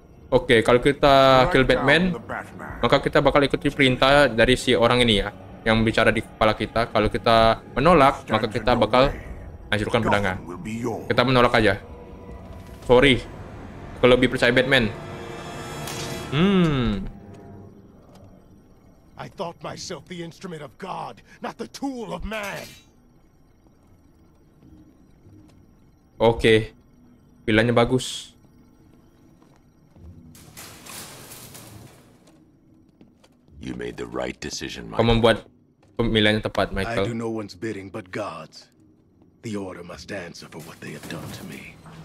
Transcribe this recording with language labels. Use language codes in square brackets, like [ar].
[id] Oke, okay, kalau kita kill Batman, maka kita bakal ikuti perintah dari si orang ini ya, yang bicara di kepala kita. Kalau kita menolak, maka kita bakal hancurkan pedangnya. Kita menolak aja. Sorry, aku lebih percaya Batman. [en] I thought myself the instrument of God, not the tool of man. [id] Oke, okay. Pilihannya bagus. [en] You made the right decision, Michael. [id] Kau membuat pemilihan yang tepat, Michael. [en] I do no one's bidding but God's. The order must answer for what they have done to me.